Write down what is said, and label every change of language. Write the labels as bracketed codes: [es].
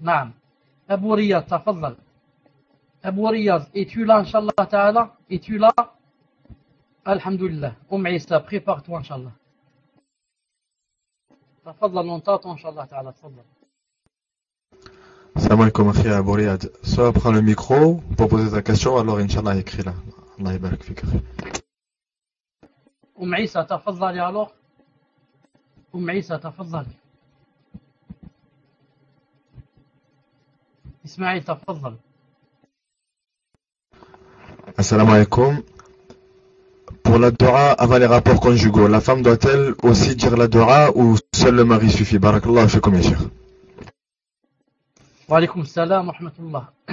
[fr] Naam. Abu Riyad, tafadhal. Abu Riyad, es-tu là, inshallah ta'ala? Es-tu là? Alhamdoulilah. Oum Issa, prépare-toi, inshallah. Tafadhal, on t'attend, inshallah ta'ala, tafadhal. [ar] Salam alaikum, akhi Abou Riyad. [fr] Soit prends le micro pour poser ta question, alors Inch'Allah écrit là. [ar] Allah ybarak fik. أم عيسى تفضلي ألوغ أم عيسى تفضلي إسماعيل تفضل السلام عليكم. [fr] Pour la dua avant les rapports conjugaux, la femme doit-elle aussi dire la dua ou seul le mari suffit? [ar] بارك الله فيكم يا شيخ. وعليكم السلام ورحمة الله.